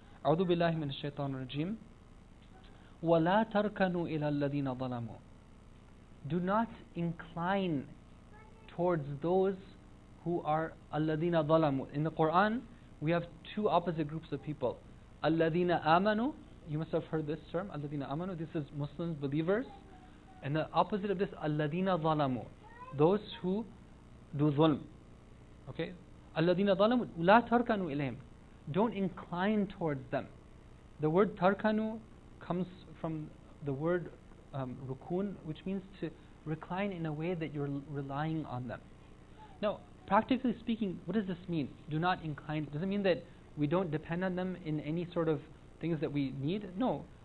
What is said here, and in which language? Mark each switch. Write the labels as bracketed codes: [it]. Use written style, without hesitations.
[ar] أعوذ بالله من الشيطان الرجيم ولا تركنوا إلى الذين ظلموا. [en] Do not incline towards those who are [ar] الذين ظلموا. [en] In the Quran, we have two opposite groups of people. [ar] الذين آمنوا. [en] You must have heard this term, [ar] الذين آمنوا. [en] This is Muslims, believers. And the opposite of this, [ar] الذين ظلموا. [en] Those who do ظلم. [ar] Okay, الَّذِينَ ظَلَمُوا لَا تَرْكَنُوا إِلَيْهِمْ. [en] Don't incline towards them. The word تَرْكَنُوا comes from the word rukun, which means to recline in a way that you're relying on them. Now, practically speaking, what does this mean? Do not incline. Does it mean that we don't depend on them in any sort of things that we need? No.